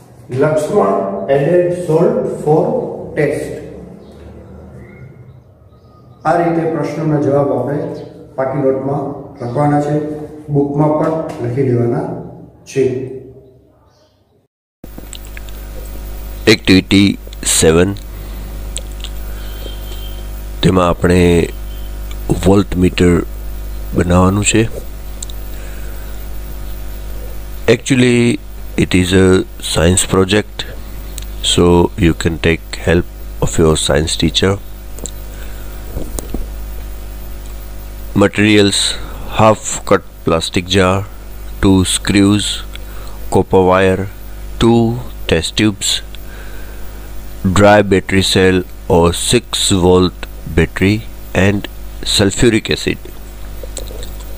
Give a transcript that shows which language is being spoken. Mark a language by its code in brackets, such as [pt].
[en] Lakshmana added salt for taste. [gu] આ રીતે પ્રશ્નનો જવાબ આપણે પાટી નોટમાં લખવાના છે, બુકમાં પણ લખી દેવાના છે. એક્ટિવિટી 7, તેમાં આપણે વોલ્ટમીટર બનાવવાનું છે. [en] Actually it is a science project, so you can take help of your science teacher. Materials: half cut plastic jar, two screws, copper wire, two test tubes, dry battery cell or 6 volt battery, and sulfuric acid.